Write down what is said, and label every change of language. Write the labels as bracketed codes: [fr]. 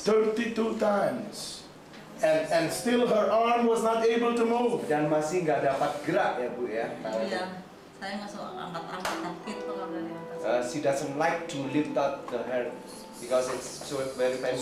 [en] 32 times, and still her arm was not able to move. [id] Dan masih nggak dapat gerak ya bu ya. Iya, saya nggak suka angkat-angkat [en] kit. She doesn't like to lift up the hair because it's so very painful.